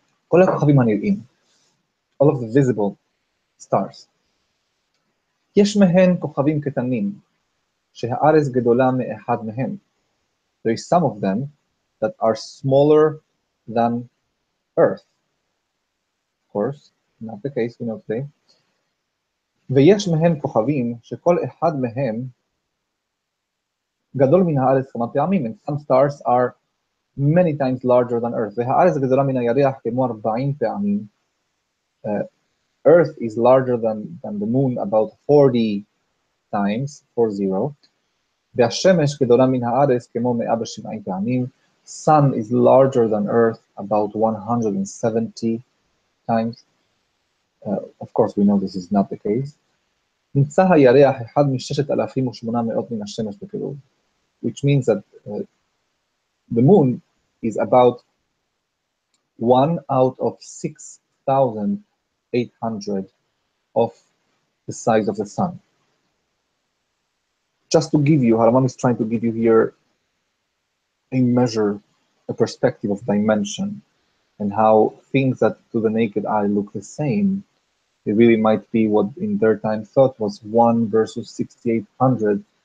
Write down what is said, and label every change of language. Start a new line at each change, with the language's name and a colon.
English: All of the visible stars.
Hebrew: יש מהן כוכבים קטנים. שהארץ גדולה מאחד מהם.
English: There is some of them that are smaller than Earth. Of course, not the case, we know today.
Hebrew: ויש מהם כוכבים שכל אחד מהם גדול מן הארץ כמה פעמים,
English: and some stars are many times larger than Earth.
Hebrew: והארץ גדולה מן הירח כמו 40 פעמים.
English: Earth is larger than the moon about 40 times, 40.
Hebrew: והשמש גדולה מן הארץ כמו 170 פעמים.
English: Sun is larger than Earth about 170 times. Of course, we know this is not the case.
Hebrew: נמצא הירח אחד מ-6,800 מן השמש בקירוב.
English: Which means that the moon is about one out of 6,800 of the size of the sun. Just to give you, Haraman is trying to give you here a measure, a perspective of dimension, and how things that to the naked eye look the same, it really might be what in their time thought was 1 versus 6,800.